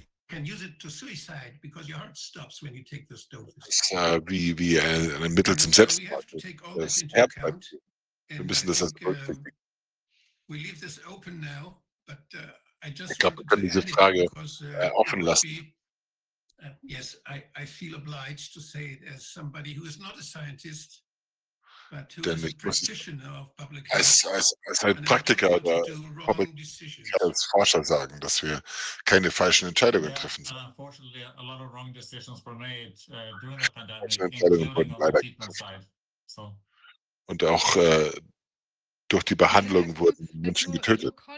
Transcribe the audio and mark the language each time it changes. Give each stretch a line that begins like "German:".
English: Can use it to suicide because your heart stops when you take those doses.
German: Wie ein Mittel zum Selbstmord. Wir müssen das als
English: We leave this open now, but I just
German: ich glaube, wir können diese Frage offen lassen.
English: Yes, I feel obliged to say it as somebody who is not a scientist, but who
German: Denn
English: is a practitioner of public health.
German: Als ein Praktiker oder als Forscher sagen, dass wir keine falschen Entscheidungen treffen.
English: Unfortunately, a lot of wrong decisions were made during the pandemic, including on the treatment side. So.
German: Und auch durch die Behandlung wurden Menschen getötet.